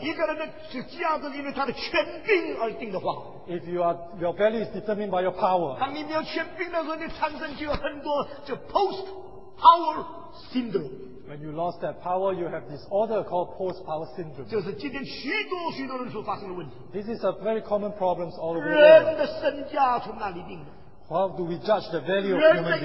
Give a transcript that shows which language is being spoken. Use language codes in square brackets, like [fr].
[zh] 一个人的价值是因为他的权柄而定的话, [en] If your value is determined by your power, [zh] 当你没有权柄的时候你产生就有很多就 post-power syndrome. [en] When you lost that power, you have this order called post-power syndrome. [zh] 就是今天许多许多人所发生的问题。 [en] This is a very common problem all over the world. [zh] 人的身价从哪里定的? [en] How do we judge the value of human beings?